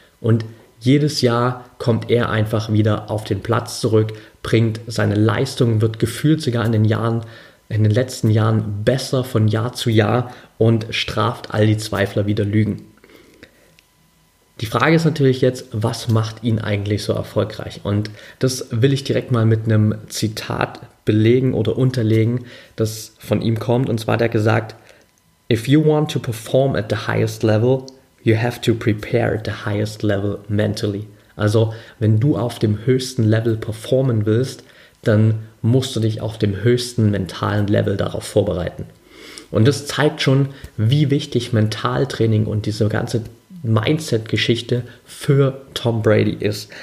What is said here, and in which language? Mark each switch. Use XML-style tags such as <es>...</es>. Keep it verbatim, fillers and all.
<de>Und jedes Jahr kommt er einfach wieder auf den Platz zurück, bringt seine Leistung, wird gefühlt sogar in den Jahren, in den letzten Jahren besser von Jahr zu Jahr und straft all die Zweifler wieder Lügen. Die Frage ist natürlich jetzt, was macht ihn eigentlich so erfolgreich? Und das will ich direkt mal mit einem Zitat belegen oder unterlegen, das von ihm kommt. Und zwar hat er gesagt,</de> <en>"If you want to perform at the highest level, you have to prepare at the highest level mentally."</en> <de>Also, wenn du auf dem höchsten Level performen willst, dann musst du dich auf dem höchsten mentalen Level darauf vorbereiten. Und das zeigt schon, wie wichtig Mentaltraining und diese ganze Mindset-Geschichte für Tom Brady ist.</de>